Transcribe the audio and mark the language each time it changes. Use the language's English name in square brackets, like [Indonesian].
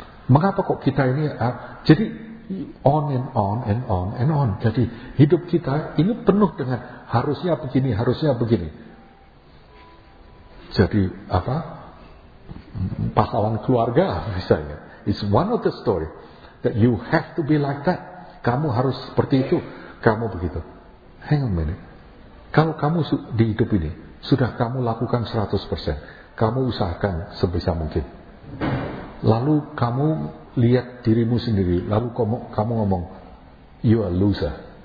[Indonesian] Mengapa kok kita ini jadi [English] on and on and on and on. [Indonesian] Jadi hidup kita ini penuh dengan harusnya begini, harusnya begini. Jadi apa? Pahlawan keluarga misalnya. [English] It's one of the story that you have to be like that. [Indonesian] Kamu harus seperti itu, kamu begitu. [English] Hang on a minute. [Indonesian] Kalau kamu di hidup ini sudah kamu lakukan 100%, kamu usahakan sebisa mungkin. Lalu kamu lihat dirimu sendiri, lalu kamu ngomong, [English] you are loser.